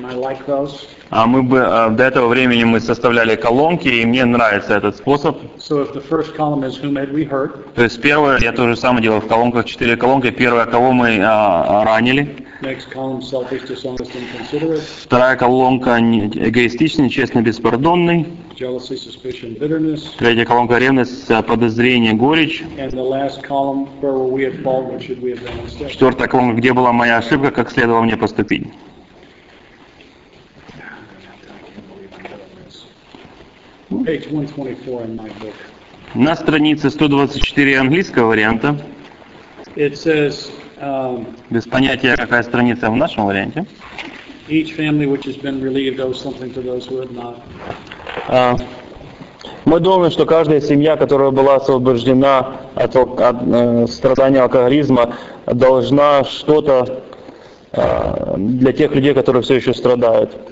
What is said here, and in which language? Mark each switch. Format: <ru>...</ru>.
<ru>До этого времени мы составляли колонки, и мне нравится этот способ.</ru> <en>So if the first column is whom had we hurt,</en> <ru>то есть первое, я то же самое делаю в колонках, четыре колонки, первое, кого мы ранили.</ru> <en>Next column, selfish, dishonest, inconsiderate.</en> <ru>Вторая колонка – эгоистичный, честный, беспардонный.</ru> <en>Jealousy, suspicion, bitterness.</en> <ru>Третья колонка – ревность, подозрение, горечь. Четвертая колонка – где была моя ошибка, как следовало мне поступить.</ru> <en>Page 124 in my book.</en> <ru>На странице 124 английского варианта.</ru> <en>It says,</en> <ru>без понятия, какая страница в нашем варианте.</ru> <en>Each family which has been relieved owes something to those who have not.</en> <ru>Мы думаем, что каждая семья, которая была освобождена от страдания алкоголизма, должна что-то для тех людей, которые все еще страдают.</ru>